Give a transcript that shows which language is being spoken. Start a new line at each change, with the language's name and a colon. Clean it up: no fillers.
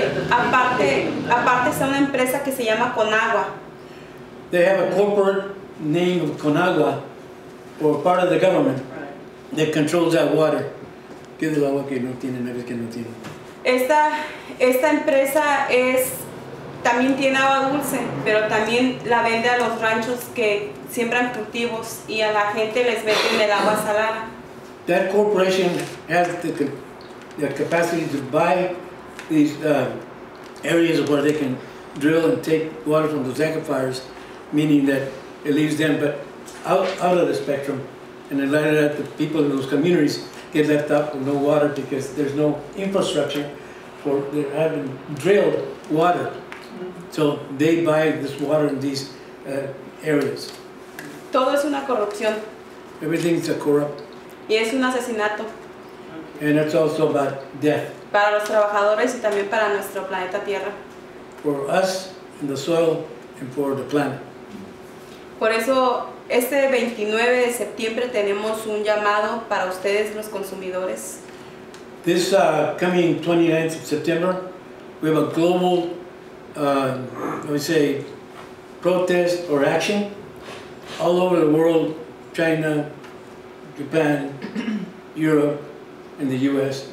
Spanish: Aparte es una empresa que se llama Conagua.
English: They have a corporate name of Conagua, or part of the government, that controls that water.
Spanish: ¿Qué es el agua que no tiene, no es que no tiene? Esta empresa también tiene agua dulce, pero también la vende a los ranchos que siembran cultivos y a la gente les meten el agua salada.
English: That corporation has the capacity to buy these areas where they can drill and take water from those aquifers, meaning that it leaves them but out of the spectrum, and a lot of that the people in those communities get left out with no water because there's no infrastructure for they haven't drilled water. Mm-hmm. So they buy this water in these areas.
Spanish: Todo es una corrupción.
English: Everything is a corrupt.
Spanish: Y es un asesinato.
English: And it's also about death.
Spanish: Para los trabajadores y también para nuestro planeta Tierra.
English: For us and the soil and for the planet.
Spanish: Por eso este 29 de septiembre tenemos un llamado para ustedes los consumidores.
English: This coming 29th of September, we have a global, let me say, protest or action all over the world, China, Japan, Europe, and the U.S.